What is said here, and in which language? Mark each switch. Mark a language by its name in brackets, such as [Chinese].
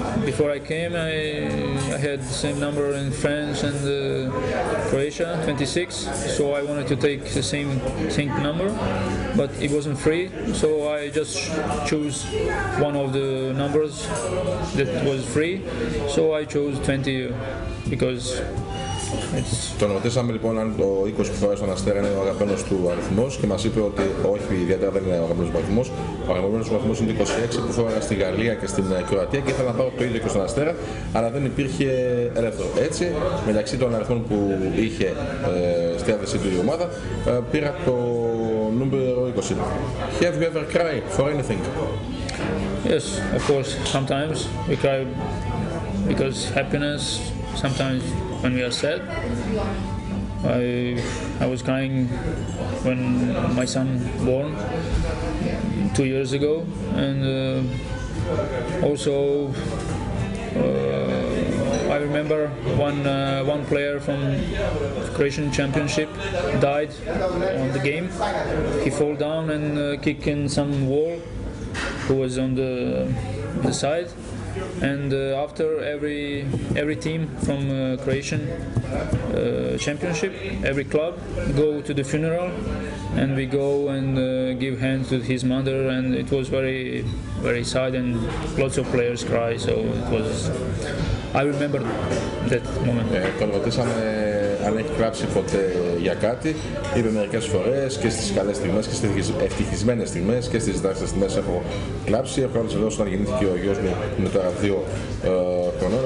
[English] Before I came, I had the same number in France and Croatia, 26. So I wanted to take the same number, but it wasn't free. So I just chose one of the numbers that was free. So I chose 20 because. [Greek] Τον ρωτήσαμε λοιπόν αν το 20 που φοράει στον Αστέρα είναι ο αγαπημένος του αριθμός, και μας είπε ότι όχι, ιδιαίτερα δεν είναι ο αγαπημένος του αριθμός. Ο αγαπημένος του αριθμός είναι το 26 που φοράει στη Γαλλία και στην Κροατία, και ήθελα να πάρω το ίδιο και στον Αστέρα, αλλά δεν υπήρχε ελεύθερο. Έτσι, μεταξύ των αριθμών που είχε στη διάθεσή του η ομάδα, πήρα το νούμερο 20. [English] Have you ever cried for anything? Yes, of course, sometimes we cry because happiness, sometimes when we are sad. I was crying when my son born 2 years ago, and also I remember one player from Croatian championship died on the game. He fell down and kicked in some wall who was on the side. And after every team from Croatian championship, every club go to the funeral, and we go and give hands to his mother, and it was very very sad, and lots of players cry. So it was, I remember that moment. [Greek] Τον ρωτήσαμε αν έχει κράψει ποτέ για κάτι. Είπε μερικές φορές και στις καλές στιγμές και στις ευτυχισμένες στιγμές και στις δάκρυες στιγμές έχω κλάψει. Έχω κάνει βεβαίως όταν γεννήθηκε ο γιος μου με τώρα 2 χρονών.